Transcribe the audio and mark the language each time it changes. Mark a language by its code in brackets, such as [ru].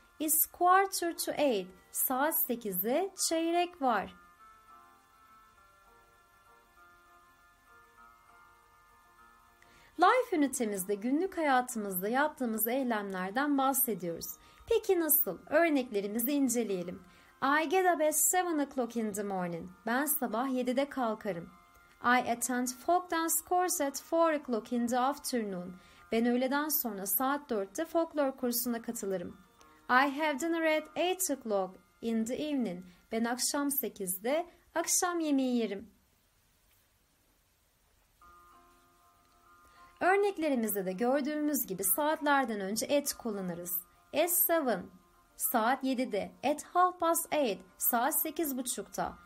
[en] It's 7:45. [tr] Saat 8'e çeyrek var. Life ünitemizde günlük hayatımızda yaptığımız eylemlerden bahsediyoruz. Peki nasıl? Örneklerimizi inceleyelim. [en] I get up at 7:00 in the morning. [tr] Ben sabah 7'de kalkarım. [en] I attend folk dance course at 4:00 in the afternoon. [tr] Ben öğleden sonra saat 4'te folklor kursuna katılırım. [en] I have dinner at 8:00 in the evening. [tr] Ben akşam 8'de akşam yemeği yerim. Örneklerimizde de gördüğümüz gibi saatlerden önce at kullanırız. [en] At 7, [tr] saat 7'de. [en] At 8:30, [tr] saat 8:30'da.